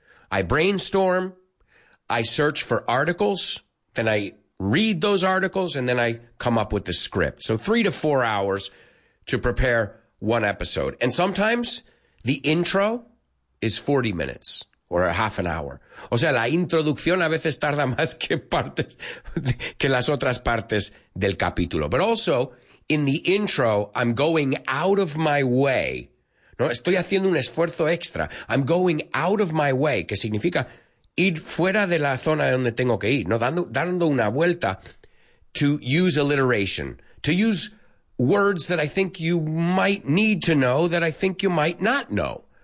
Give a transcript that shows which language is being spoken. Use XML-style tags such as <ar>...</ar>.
<en>I brainstorm, I search for articles, then I read those articles, and then I come up with the script. So 3 to 4 hours to prepare one episode. And sometimes the intro is 40 minutes or a half an hour.</en> <es>O sea, la introducción a veces tarda más que partes, que las otras partes del capítulo.</es> <en>But also, in the intro, I'm going out of my way.</en> <es>No, estoy haciendo un esfuerzo extra.</es> <en>I'm going out of my way,</en> <es>que significa ir fuera de la zona donde tengo que ir. No, dando una vuelta,</es> <en>to use alliteration, to use words that I think you might need to know that I think you might not know.</en>